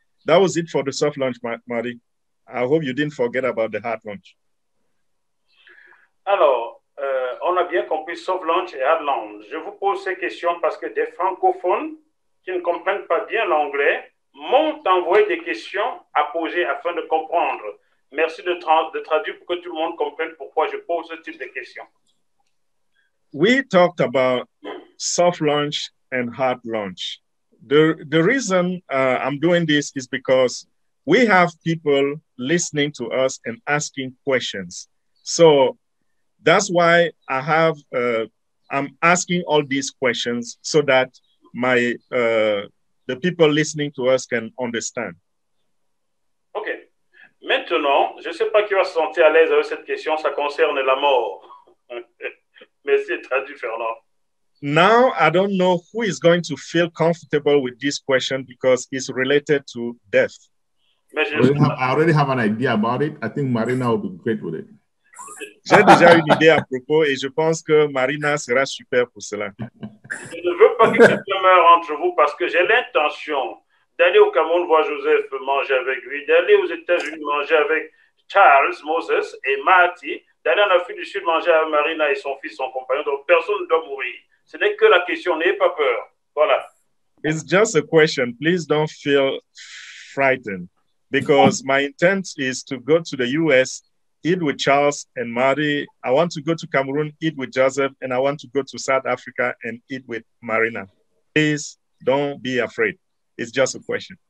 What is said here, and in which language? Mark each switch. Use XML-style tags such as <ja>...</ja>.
<en>That was it for the soft launch, Marie. I hope you didn't forget about the hard launch.</en> <fr>Alors, on a bien compris soft launch et hard launch. Je vous pose ces questions parce que des francophones qui ne comprennent pas bien l'anglais m'ont envoyé des questions à poser afin de comprendre. Merci de traduire pour que tout le monde comprenne pourquoi je pose ce type de questions.</fr> <en>We talked about soft launch and hard launch. The reason I'm doing this is because we have people listening to us and asking questions. So that's why I'm asking all these questions so that the people listening to us can understand. Okay.</en> <fr>Maintenant, je sais pas qui va se sentir à l'aise avec cette question. Ça concerne la mort. Mais c'est traduit, Fernand.</fr> <en>Now, I don't know who is going to feel comfortable with this question because it's related to death. I already have an idea about it. I think Marina will be great with it.</en> <fr>J'ai déjà une idée à propos et je pense que Marina sera super pour cela. Je ne veux pas que quelqu'un meure entre vous parce que j'ai l'intention d'aller au Cameroun voir Joseph manger avec lui, d'aller aux États-Unis manger avec Charles, Moses et Marty, d'aller en Afrique du Sud manger avec Marina et son fils, son compagnon. Donc, personne ne doit mourir. Ce n'est que la question, n'ayez pas peur. Voilà.</fr> <en>It's just a question. Please don't feel frightened. Because my intent is to go to the US, eat with Charles and Marie. I want to go to Cameroon, eat with Joseph, and I want to go to South Africa and eat with Marina. Please don't be afraid. It's just a question.</en>